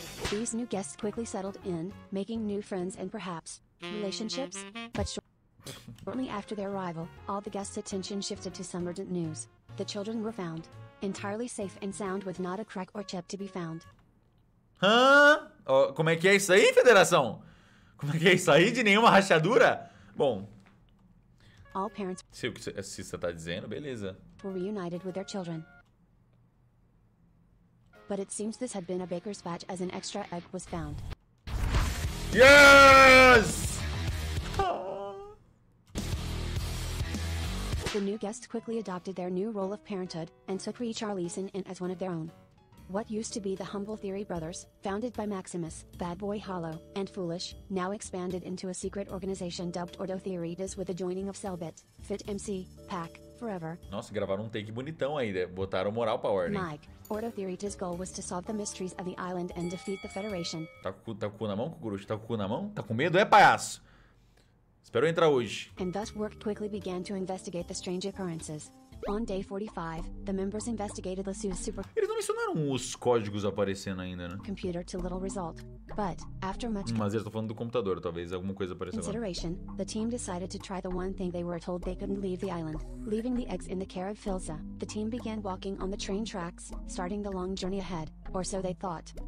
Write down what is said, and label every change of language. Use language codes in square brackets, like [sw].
[en] These new guests quickly settled in, making new friends and perhaps relationships, but short. Shortly after their arrival, all the guests' attention shifted to some urgent news. The children were found, entirely safe and sound, with not a crack or chip to be found. Hã? [pt] Oh, como é que é isso aí, Federação? Como é que é isso aí? De nenhuma rachadura? Bom. [en] All parents. [pt] Se o que você está dizendo, beleza. [en] Were reunited with their children. But it seems this had been a baker's batch, as an extra egg was found. Yes! The new guests quickly adopted their new role of parenthood and took Ree Charleson in as one of their own. What used to be the humble Theory Brothers, founded by Maximus, Bad Boy Hollow, and Foolish, now expanded into a secret organization dubbed Ordo Theoritas with the joining of Cellbit, Fit MC, Pack, Forever. [pt] Nossa, gravaram um take bonitão aí, botaram moral pra ordem. [en] Mike, Ordo Theoritas' goal was to solve the mysteries of the island and defeat the Federation. [pt] Tá com o cu na mão, Kukurucho? Tá com o cu na mão? Tá com medo? É, palhaço! Espero entrar hoje. [en] And thus work quickly began to investigate the strange occurrences. On day 45, the members investigated the Sue's super. [pt] Eles não mencionaram os códigos aparecendo ainda, né? [en] Computer to little result. But after much. [pt] Mas eles estão falando do computador, talvez alguma coisa apareça. [en] Consideration, [pt] lá. [en] The team decided to try the one thing they were told they couldn't leave the island, leaving the eggs in the care of Filza. The team began walking on the train tracks, starting the long journey ahead, or so they thought.